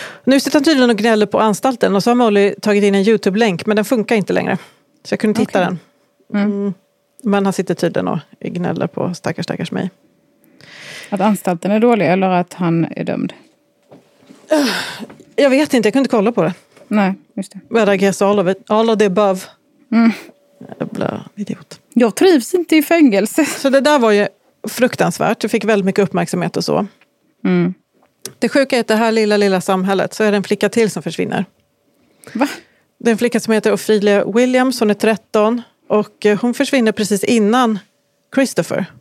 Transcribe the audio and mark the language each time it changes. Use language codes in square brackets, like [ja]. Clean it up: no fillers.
[sv] Nu sitter han tydligen och gnäller på anstalten. Och så har Molly tagit in en YouTube-länk, men den funkar inte längre. Så jag kunde titta den. Men han sitter tydligen och gnäller på stackars, stackars mig. Att anstalten är dålig eller att han är dömd? Jag vet inte, jag kunde kolla på det. Nej, just det. [en] Well, I guess all of it, all of the above. [sv] Jävla idiot. Jag trivs inte i fängelse. Så det där var ju fruktansvärt. Det fick väldigt mycket uppmärksamhet och så. Mm. Det sjuka är att det här lilla, lilla samhället så är det en flicka till som försvinner. Va? Det är en flicka som heter Ophelia Williams. Hon är 13. Och hon försvinner precis innan Christopher.